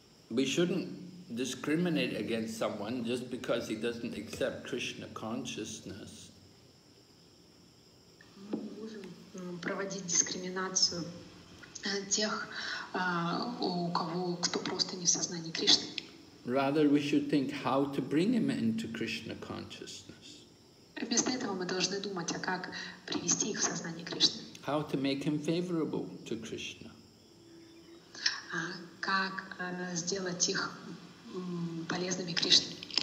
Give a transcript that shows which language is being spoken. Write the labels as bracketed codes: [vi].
[en] We shouldn't discriminate against someone just because he doesn't accept Krishna consciousness. [ru] Мы можем проводить дискриминацию тех, кто просто не в сознании Кришны. [en] Rather, we should think how to bring him into Krishna consciousness. [ru] Вместо этого мы должны думать, а как привести их в сознание Кришны. [en] How to make him favorable to Krishna. [ru] Как сделать их полезными Кришне.